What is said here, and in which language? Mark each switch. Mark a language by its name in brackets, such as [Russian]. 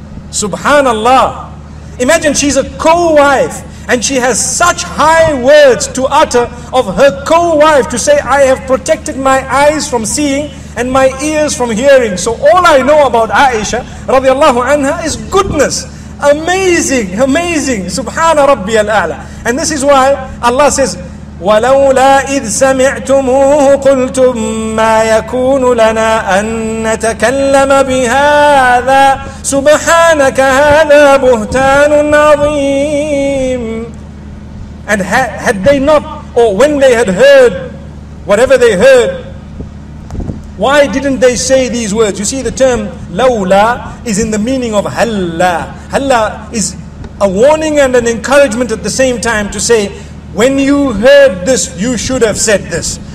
[English] Subhanallah. Imagine she's a co-wife and she has such high words to utter of her co-wife to say, I have protected my eyes from seeing and my ears from hearing. So all I know about Aisha radiallahu anha is goodness. Amazing, amazing. [Arabic] Subhana Rabbi al-A'la. [English] And this is why Allah says, [Arabic] وَلَوْلَا إِذْ سَمِعْتُمُوهُ قُلْتُمْ مَا يَكُونُ لَنَا أَن نَتَكَلَّمَ بِهَذَا سُبْحَانَكَ هَذَا بُهْتَانٌ عَظِيمٌ. [English] And had they not, or when they had heard whatever they heard, why didn't they say these words? You see, the term لَوْلَا is in the meaning of هَلَّا. هَلَّا is a warning and an encouragement at the same time to say, when you heard this, you should have said this.